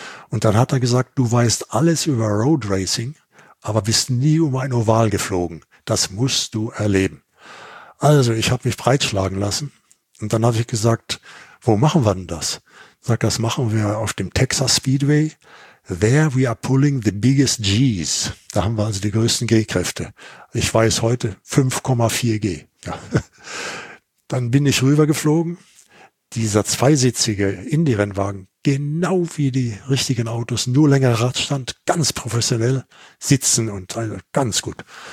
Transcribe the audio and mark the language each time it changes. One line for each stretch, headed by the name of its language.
German: Und dann hat er gesagt, du weißt alles über Road Racing, aber bist nie um ein Oval geflogen. Das musst du erleben. Also, ich habe mich breitschlagen lassen und dann habe ich gesagt, wo machen wir denn das? Sagt, das machen wir auf dem Texas Speedway.
English: There we are pulling the biggest G's.
German: Da haben wir also die größten G-Kräfte. Ich weiß heute 5,4 G. Ja. Dann bin ich rübergeflogen. Dieser zweisitzige Indy-Rennwagen, genau wie die richtigen Autos, nur längerer Radstand, ganz professionell sitzen und also ganz gut.